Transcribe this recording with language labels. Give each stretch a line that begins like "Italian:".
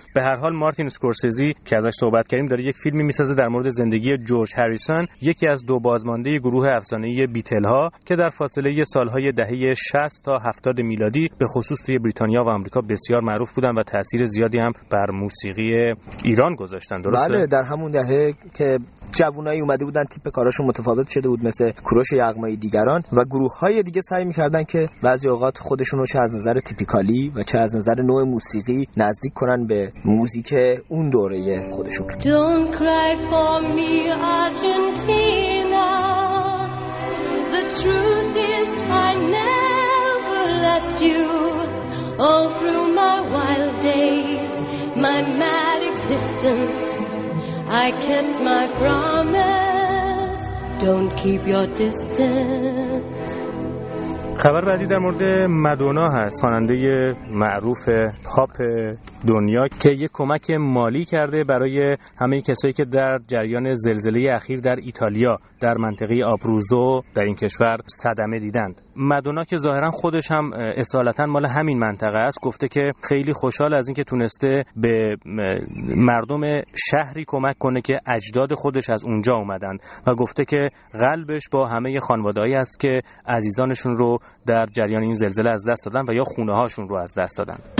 Persian: به هر حال مارتین اسکورسیزی که ازش صحبت کردیم داره یک فیلمی میسازه در مورد زندگی جورج هریسون، یکی از دو بازمانده گروه افسانه ای بیتل ها که در فاصله سالهای دهه 60 تا 70 میلادی به خصوص توی بریتانیا و آمریکا بسیار معروف بودن و تاثیر زیادی هم بر موسیقی ایران گذاشتن، درسته؟ بله، در همون دهه که جوانایی اومده بودن تیپ کاراشون متفاوت شده بود مثل کوروش یغمایی دیگران و گروه‌های دیگه سعی می‌کردن که بعضی اوقات خودشون رو چه از نظر تیپیکالی و چه از نظر نوع موسیقی نزدیک کنن به موزیک اون دوره خودشون.
English: Don't cry for me Argentina, the truth is I never left you. All through my wild days, my mad existence, I kept my promise, don't keep your distance.
Persian: خبر بعدی در مورد مدونا هست، خواننده معروف پاپ دنیا که یک کمک مالی کرده برای همه کسایی که در جریان زلزله اخیر در ایتالیا در منطقه آبروزو در این کشور صدمه دیدند. مدونا که ظاهرا خودش هم اصالتا مال همین منطقه است، گفته که خیلی خوشحال از اینکه تونسته به مردم شهری کمک کنه که اجداد خودش از اونجا اومدند و گفته که قلبش با همه خانواده‌ای است که عزیزانشون رو در جریان این زلزله از دست دادن و یا خونه هاشون رو از دست دادن.